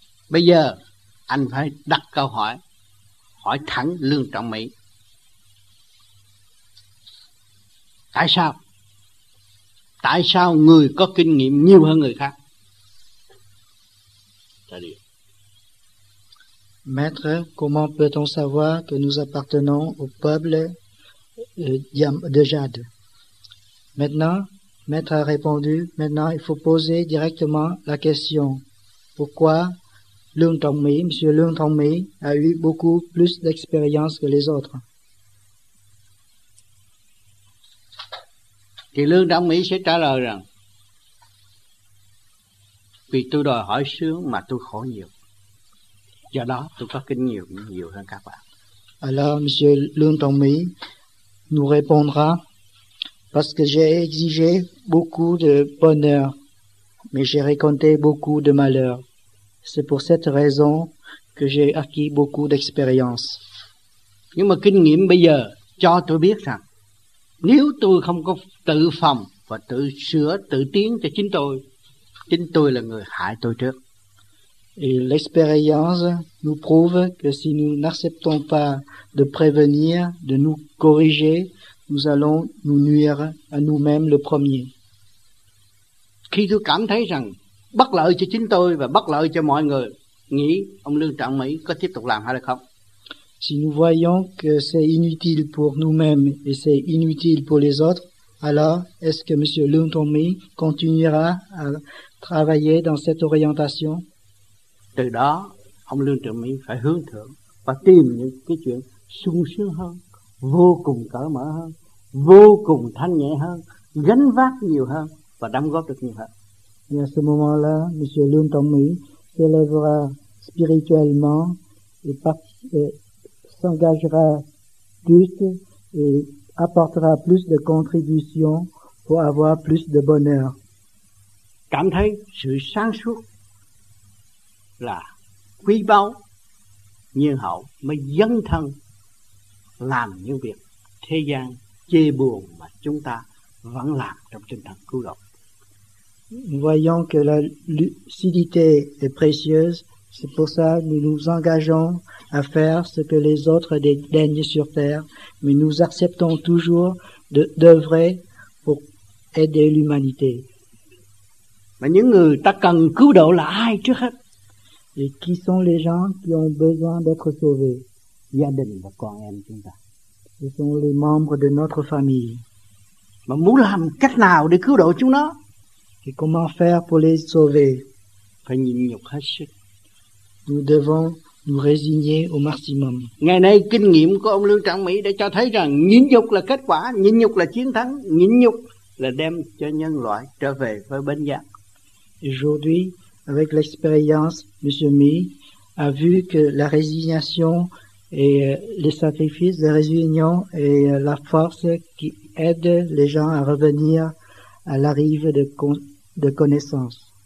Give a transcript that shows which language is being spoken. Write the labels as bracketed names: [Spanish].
[Vietnamese] Bây giờ anh phải đặt câu hỏi, hỏi thẳng Lương Trọng Mỹ. Tại sao? Tại sao người có kinh nghiệm nhiều hơn người khác? Tại sao? [French] Maître, comment peut-on savoir que nous appartenons au peuple de Jade? Maintenant, Maître a répondu, maintenant il faut poser directement la question. Pourquoi Lương Trọng Mỹ, M. Lương Trọng Mỹ, a eu beaucoup plus d'expérience que les autres? [Vietnamese] Thì Lương Trọng Mỹ sẽ trả lời rằng, vì tôi đòi hỏi sướng mà tôi khổ nhiều. Do đó tôi có kinh nghiệm nhiều hơn các bạn. [French] Alors, Monsieur Lương Trọng Mỹ nous répondra, parce que j'ai exigé beaucoup de bonheur, mais j'ai raconté beaucoup de malheur. C'est pour cette raison que j'ai acquis beaucoup d'expérience. [Vietnamese] Nhưng mà kinh nghiệm bây giờ cho tôi biết rằng, nếu tôi không có tự phòng và tự sửa, tự tiến cho chính tôi là người hại tôi trước. [French] Et l'expérience nous prouve que si nous n'acceptons pas de prévenir, de nous corriger, nous allons nous nuire à nous-mêmes le premier. [Vietnamese] Khi tôi cảm thấy rằng bất lợi cho chính tôi và bất lợi cho mọi người, nghĩ ông Lương Trọng Mỹ có tiếp tục làm hay là không? [French] Si nous voyons que c'est inutile pour nous-mêmes et c'est inutile pour les autres, alors est-ce que M. Lương Trọng Mỹ continuera à travailler dans cette orientation. [Vietnamese] Từ đó, ông Lương Trường Mỹ phải hướng thượng và tìm những cái chuyện sung sướng hơn, vô cùng cởi mở hơn, vô cùng thanh nhẹ hơn, gánh vác nhiều hơn và đóng góp được nhiều hơn. [French] Et à ce moment-là, M. Lương Trường Mỹ s'élèvera spirituellement et s'engagera plus et apportera plus de contributions pour avoir plus de bonheur. [Vietnamese] Cảm thấy sự sáng suốt là quý báu, nhân hậu mới dấn thân làm những việc thế gian chê buồn mà chúng ta vẫn làm trong tinh thần cứu độ. [French] Voyons que la lucidité est précieuse, c'est pour ça que nous nous engageons à faire ce que les autres dédaignent sur terre, mais nous acceptons toujours d'œuvrer pour aider l'humanité. [Vietnamese] Mais những người ta cần cứu độ là ai trước hết? [French] Et qui sont les gens qui ont besoin d'être sauvés? [Vietnamese] Gia đình và con em chúng ta. [French] Ce sont les membres de notre famille. [Vietnamese] Mà muốn làm cách nào để cứu độ chúng nó? [French] Et comment faire pour les sauver? [Vietnamese] Phải nhịn nhục hết sức. [French] Nous devons nous résigner au maximum. [Vietnamese] Ngày nay kinh nghiệm của ông Lương Trọng Mỹ đã cho thấy rằng nhịn nhục là kết quả, nhịn nhục là chiến thắng, nhịn nhục là đem cho nhân loại trở về với bên giác. [French] Aujourd'hui, avec l'expérience, M. Mỹ a vu que la résignation et les sacrifices de résignation et la force qui aide les gens à revenir à la rive de connaissance.